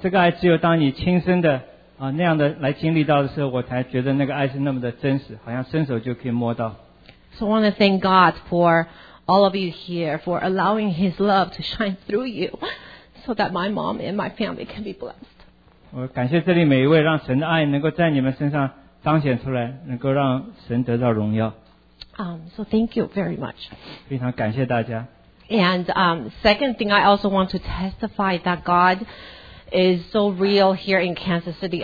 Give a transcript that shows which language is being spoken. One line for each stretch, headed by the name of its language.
Chinese: 我从小在教会长大，也知道圣经上所讲的这一切。不过，这个爱只有当你亲身的 那样的来经历到的时候，我才觉得那个爱是那么的真实，好像伸手就可以摸到。
English: So I want to thank God for all of you here for allowing His love to shine through you so that my mom and my family can be blessed.
Chinese: 我感谢这里每一位，让神的爱能够在你们身上彰显出来，能够让神得到荣耀。
English: So thank you very much.
Chinese: 非常感谢大家。
English: And second thing, I also want to testify that God is so real here in Kansas City.